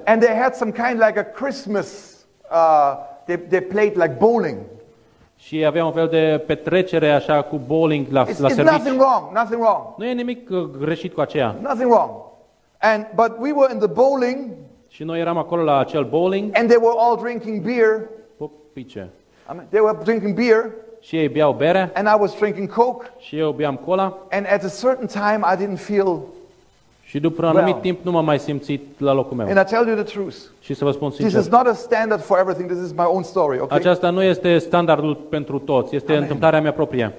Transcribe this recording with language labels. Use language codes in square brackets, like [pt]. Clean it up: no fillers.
[en] And they had some kind like a Christmas they played like bowling. [ro] Și aveam un fel de petrecere așa cu bowling la [en] it's [ro] la serviciu. [en] Nothing wrong, nothing wrong. [ro] Nu e nimic greșit cu aceea. [en] Nothing wrong. And but we were in the bowling. [ro] Și noi eram acolo la acel bowling. [en] And they were all drinking beer. Pice. I mean, they were drinking beer. [ro] Și ei beau bere. [en] And I was drinking Coke. [ro] Și eu beam cola. [en] And at a certain time I didn't feel. [ro] Și după un anumit timp nu m-am mai simțit la locul meu. [en] And I tell you the truth. [ro] Și să vă spun sincer. [en] This is not a standard for everything. This is my own story, okay? [ro] Aceasta nu este standardul pentru toți, este Amen. Întâmplarea mea proprie.